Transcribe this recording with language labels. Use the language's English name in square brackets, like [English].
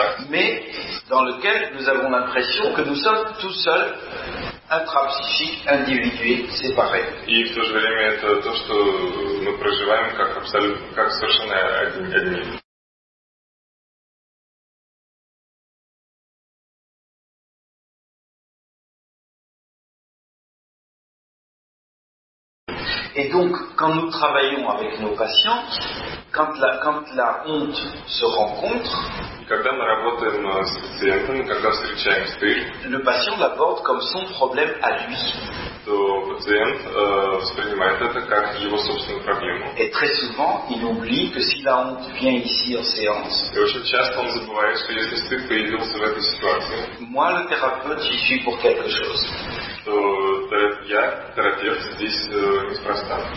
[French] Mais dans lequel nous avons l'impression que nous sommes tout seuls. Intrapsychique, individué, séparé. [Russian] И в то же время это то, что мы проживаем как абсолютно, как совершенно один. [French] Et donc, quand nous travaillons avec nos patients, quand la honte se rencontre. [Russian] Когда мы работаем с пациентами, когда встречаем стыд, [French] le patient l'aborde comme son problème à lui. [Russian] То пациент воспринимает это как его собственную проблему. [French] Et très souvent, il oublie que si la honte vient ici en séance. [Russian] И очень часто он забывает, что если стыд появился в этой ситуации. [French] Moi, le thérapeute, j'y suis pour quelque chose. [Russian] То я терапевт здесь неспроста.